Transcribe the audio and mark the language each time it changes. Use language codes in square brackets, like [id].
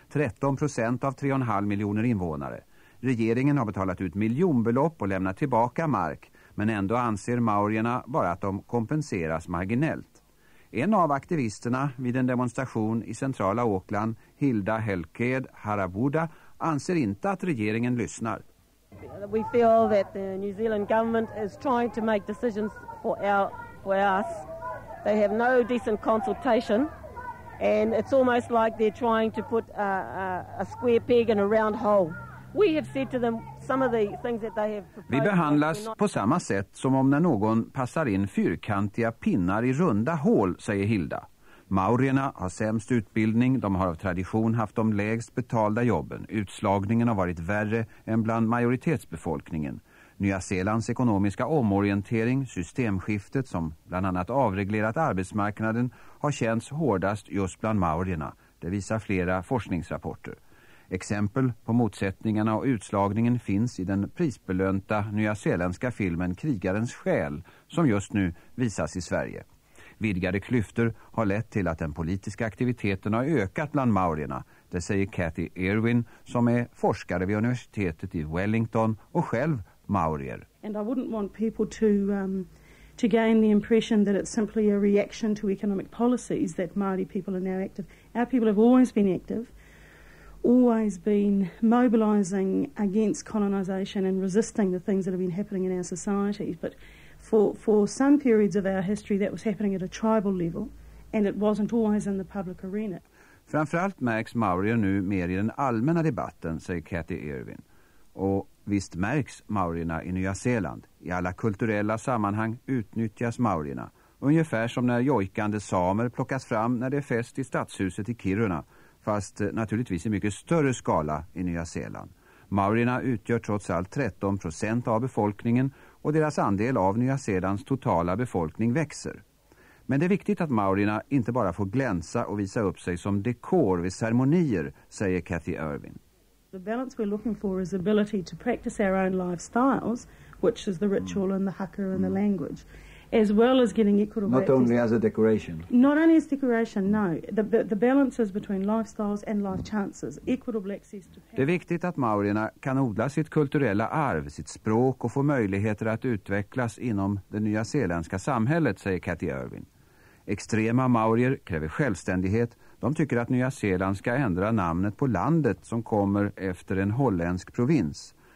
[sv] 13% av 3,5 miljoner invånare. Regeringen har betalat ut miljonbelopp och lämnat tillbaka mark, men ändå anser maorierna bara att de kompenseras marginellt. En av aktivisterna vid en demonstration i centrala Auckland, Hilda Helked Haraboda, anser inte att regeringen lyssnar. [en] We feel that the New Zealand government is trying to make decisions for us. They have no decent consultation and it's almost like they're trying to put a square peg in a round hole. We have said to them some of the things that they have proposed. [sv] Vi behandlas på samma sätt som om när någon passar in fyrkantiga pinnar i runda hål, säger Hilda. Maorierna har sämst utbildning, de har av tradition haft de lägst betalda jobben. Utslagningen har varit värre än bland majoritetsbefolkningen. Nya Zeelands ekonomiska omorientering, systemskiftet som bland annat avreglerat arbetsmarknaden, har känts hårdast just bland maorierna. Det visar flera forskningsrapporter. Exempel på motsättningarna och utslagningen finns i den prisbelönta nyzeeländska filmen Krigarens själ som just nu visas i Sverige. Vidgade klyftor har lett till att den politiska aktiviteten har ökat bland maorierna. Det säger Cathy Irwin som är forskare vid universitetet i Wellington och själv maorier. [en] And I wouldn't want people to gain the impression that it's simply a reaction to economic policies that Maori people are now active. Our people have always been active. Always been mobilizing against colonization and resisting the things that have been happening in our society. But for some periods of our history that was happening at a tribal level and it wasn't always in the public arena. [sv] Framförallt märks maorier nu mer i den allmänna debatten, säger Cathy Irwin. Och visst märks maorierna i Nya Zeeland. I alla kulturella sammanhang utnyttjas maorierna. Ungefär som när jojkande samer plockas fram när det är fest i stadshuset i Kiruna. Fast naturligtvis i mycket större skala i Nya Zeeland. Maorierna utgör trots allt 13% av befolkningen och deras andel av Nya Zeelands totala befolkning växer. Men det är viktigt att maorierna inte bara får glänsa och visa upp sig som dekor vid ceremonier, säger Cathy Irwin. [en] The balance we're looking for is ability to practice our own lifestyles, which is the ritual and the haka and the language. As well as getting equitable not practice. Only as a decoration. Not only as decoration, no. The balance is between lifestyles and life chances. Equitable access to. [sv] Det är viktigt att maorierna kan odla sitt kulturella arv, sitt språk och få möjligheter att utvecklas inom det nya zeeländska samhället, säger Cathy Irwin. Extrema maorier kräver självständighet. De tycker att Nya Zeeland ska ändra namnet på landet som kommer efter en holländsk provins.